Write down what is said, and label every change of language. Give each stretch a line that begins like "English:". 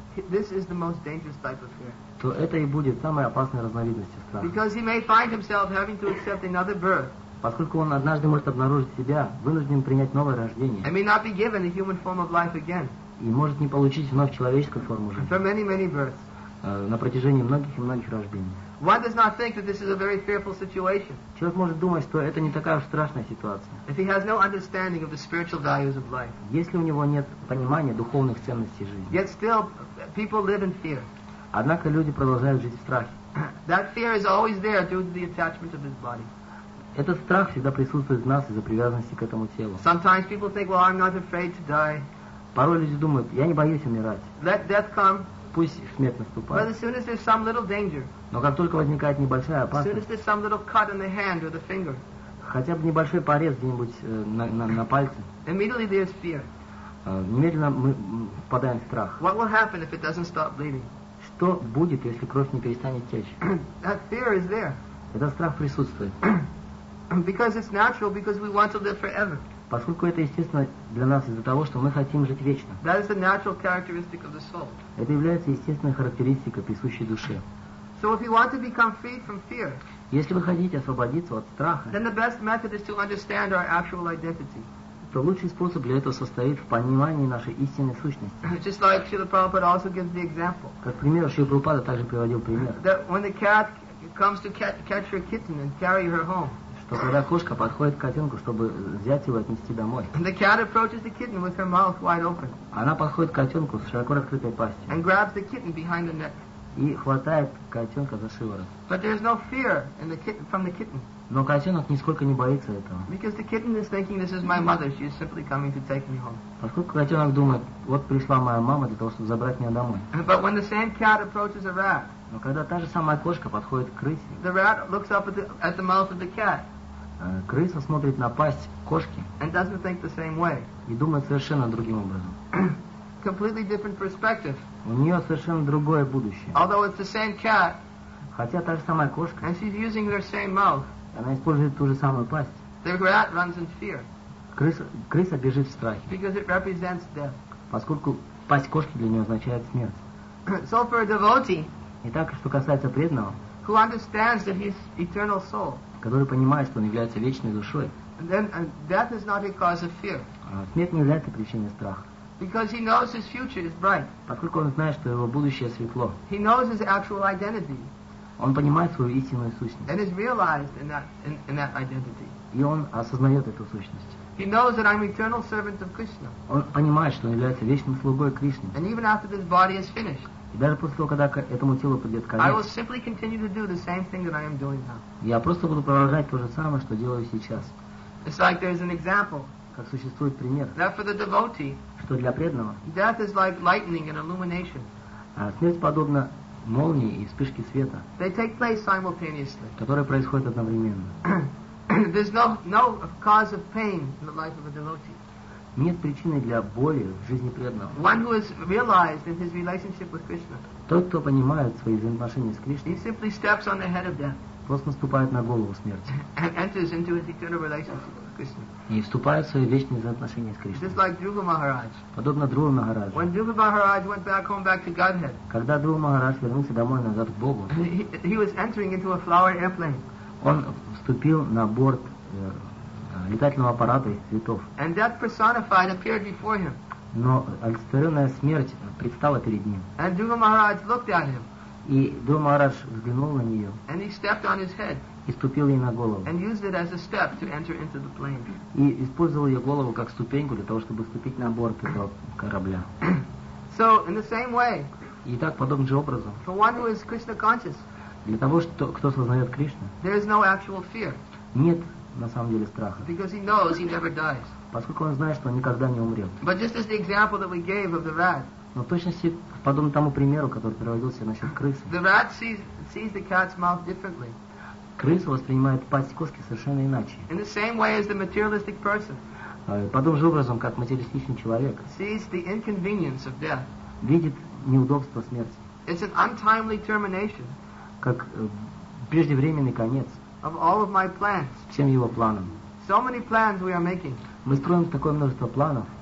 English: This is the most dangerous type of fear.
Russian: То это и будет самой опасной разновидностью страха.
English: Because he may find himself having to accept another birth.
Russian: Поскольку он однажды может обнаружить себя вынужденным принять новое рождение.
English: And may not be given a human form of life again.
Russian: И может не получить вновь человеческую форму жизни.
English: For many, many births.
Russian: На протяжении многих и многих рождений.
English: One does not think that this is a very fearful situation.
Russian: Человек может думать, что это не такая уж страшная ситуация.
English: If he has no understanding of the spiritual values of life.
Russian: Если у него нет понимания духовных ценностей жизни.
English: Yet still, people live in fear.
Russian: Однако люди продолжают жить в страхе.
English: That fear is always there due to the attachment of this body.
Russian: Этот страх всегда присутствует в нас из-за привязанности к этому телу.
English: Sometimes people think, well, I'm not afraid to die.
Russian: Порой люди думают, я не боюсь умирать.
English: Let death come.
Russian: Пусть смерть наступает.
English: But as soon as there's some little danger.
Russian: Но как только возникает небольшая опасность.
English: As soon as there's some little cut in the hand or the finger.
Russian: Хотя бы небольшой порез где-нибудь на пальце.
English: Immediately there's fear.
Russian: Немедленно мы впадаем в страх.
English: What will happen if it doesn't stop bleeding?
Russian: Что будет, если кровь не перестанет течь?
English: That fear is there.
Russian: Этот страх присутствует.
English: Because it's natural, because we want to live forever.
Russian: Поскольку это естественно для нас из-за того, что мы хотим жить вечно.
English: That is the natural characteristic of the soul.
Russian: Это является естественной характеристикой, присущей душе.
English: So if you want to become free from fear,
Russian: если вы хотите освободиться от страха,
English: then the best method is to understand our actual identity.
Russian: То лучший способ для этого состоит в понимании нашей истинной сущности.
English: Just like Srila Prabhupada also gives the example.
Russian: Как пример, Шрила Прабхупада также приводил пример.
English: That when the cat comes to catch her kitten and carry her home.
Russian: Что когда кошка подходит к котенку, чтобы взять его и отнести домой.
English: The cat approaches the kitten with her mouth wide open.
Russian: Она подходит к котенку с широко раскрытой пастью.
English: And grabs the kitten behind the neck.
Russian: и хватает котенка за шиворот.
English: But there's no fear in the kitten, from the kitten.
Russian: Но котенок нисколько не боится этого.
English: Because the kitten is thinking this is my mother, she is simply coming to take me home.
Russian: Поскольку котенок думает, вот пришла моя мама для того, чтобы забрать меня домой.
English: But when the same cat approaches a rat.
Russian: Но когда та же самая кошка подходит к крысе.
English: The rat looks up at the mouth of the cat.
Russian: Крыса смотрит на пасть кошки.
English: And doesn't think the same way.
Russian: И думает совершенно другим образом.
English: Completely different perspective.
Russian: У нее совершенно другое будущее.
English: Although it's the same cat.
Russian: Хотя та же самая кошка.
English: And she's using her same mouth.
Russian: Она использует ту же самую пасть.
English: The rat runs in fear.
Russian: Крыса бежит в страхе.
English: Because it represents death.
Russian: Поскольку пасть кошки для нее означает смерть.
English: So for a devotee.
Russian: Итак, что касается преданного.
English: Who understands that he's eternal soul.
Russian: Который понимает, что он является вечной душой.
English: And then, death is not a cause of fear.
Russian: Смерть не является причиной страха.
English: Because he knows his future is bright.
Russian: Поскольку он знает, что его будущее светло.
English: He knows his actual identity.
Russian: Он понимает свою истинную сущность.
English: And is realized in that identity.
Russian: И он осознает эту сущность.
English: He knows that I'm eternal servant of Krishna.
Russian: Он понимает, что он является вечным слугой Кришны.
English: And even after this body is finished.
Russian: И даже после того, когда этому телу придет конец.
English: I will simply continue to do the same thing that I am doing now.
Russian: Я просто буду продолжать то же самое, что делаю сейчас.
English: It's like there is an example.
Russian: Как существует пример.
English: That for the devotee.
Russian: Что для преданного.
English: Death is like lightning and illumination.
Russian: Смерть подобна молнии и вспышке света.
English: They take place simultaneously.
Russian: Которые происходят одновременно.
English: There's no cause of pain in the life of a devotee.
Russian: Нет причины для боли в жизни преданного.
English: One who has realized in his relationship with Krishna.
Russian: Тот, кто понимает свои взаимоотношения с Кришной.
English: He simply steps on the head of death.
Russian: Просто наступает на голову смерти.
English: And enters into his eternal relationship with Krishna.
Russian: И вступает в свои вечные взаимоотношения с Кришной.
English: Just like Dhruva Maharaj.
Russian: Подобно Дхрува Махараджу.
English: When Dhruva Maharaj went back home back to Godhead.
Russian: Когда Дхрува Махарадж вернулся домой назад к Богу.
English: He was entering into a flower airplane.
Russian: Он вступил на борт летательного аппарата из цветов.
English: And death personified appeared before him.
Russian: Но олицетворенная смерть предстала перед ним.
English: And Dhruva Maharaj looked at him.
Russian: И Дхрува Махарадж взглянул на нее.
English: And he stepped on his head.
Russian: И ступил ей на голову.
English: And used it as a step to enter into the plane.
Russian: И использовал ее голову как ступеньку для того, чтобы вступить на борт этого корабля.
English: So, in the same way.
Russian: И так, подобным же образом.
English: For one who is Krishna conscious.
Russian: Для того, что, кто сознает Кришну.
English: There is no actual fear.
Russian: Нет на самом деле страха.
English: Because he knows he never dies.
Russian: Поскольку он знает, что он никогда не умрет.
English: But just as the example that we gave of the rat.
Russian: Но в точности, подобно тому примеру, который приводился насчет крысы.
English: The rat sees the cat's mouth differently.
Russian: Крыса воспринимает пасть кошки совершенно иначе.
English: In the same way as the materialistic person.
Russian: Подобным же образом, как материалистичный человек.
English: Sees the inconvenience of death.
Russian: Видит неудобство смерти.
English: It's an untimely termination.
Russian: Как преждевременный конец.
English: Of all of my plans.
Russian: Всем его планам.
English: So many plans we are making.
Russian: Мы строим такое множество планов.